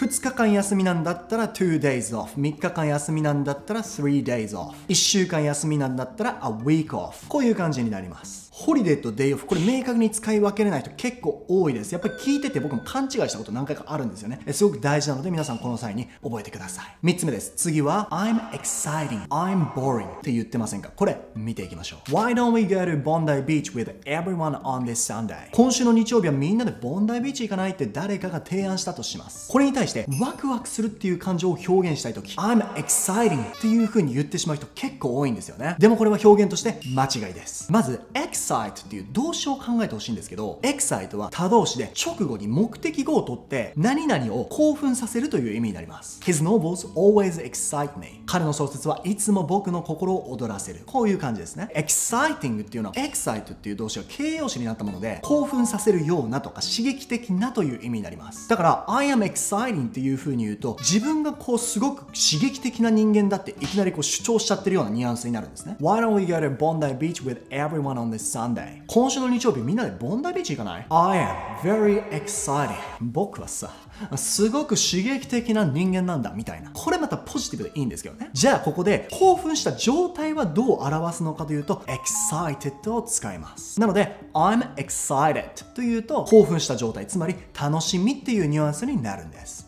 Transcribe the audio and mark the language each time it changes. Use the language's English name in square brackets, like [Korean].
[Japanese] 2日間休みなんだったら 2 days off、 3日間休みなんだったら 3 days off、 1週間休みなんだったら a week off、こういう感じになります。ホリデーとデイオフ、これ明確に使い分けれない人結構多いです。やっぱり聞いてて僕も勘違いしたこと何回かあるんですよね。すごく大事なので皆さんこの際に覚えてください。 3つ目です。次は I'm exciting, I'm boring って言ってませんか。これ見ていきましょう。 [English] Why don't we go to Bondi Beach with everyone on this Sunday? [Japanese] 今週の日曜日はみんなで Bondi Beach 行かないって誰かが提案したとします。これに対してワクワクするっていう感情を表現したいとき、 I'm exciting っていう風に言ってしまう人結構多いんですよね。でもこれは表現として間違いです。まず excite っていう動詞を考えてほしいんですけど、 excite は他動詞で直後に目的語を取って何々を興奮させるという意味になります。 His novels always excite me、彼の小説はいつも僕の心を躍らせる、こういう感じですね。 exciting っていうのは excite っていう動詞が形容詞になったもので、興奮させるようなとか刺激的なという意味になります。だから I am exciting っていう風に言うと、自分がこうすごく刺激的な人間だっていきなりこう主張しちゃってるようなニュアンスになるんですね。 [English] Why don't we go to Bondi Beach with everyone on this Sunday? [Japanese] 今週の日曜日みんなでBondi Beach行かない？ [English] I am very exciting。 [Japanese] 僕はさ、すごく刺激的な人間なんだみたいな、これまたポジティブでいいんですけどね。じゃあここで興奮した状態はどう表すのかというと、 excited を使います。なので I'm excited というと興奮した状態、つまり楽しみっていうニュアンスになるんです。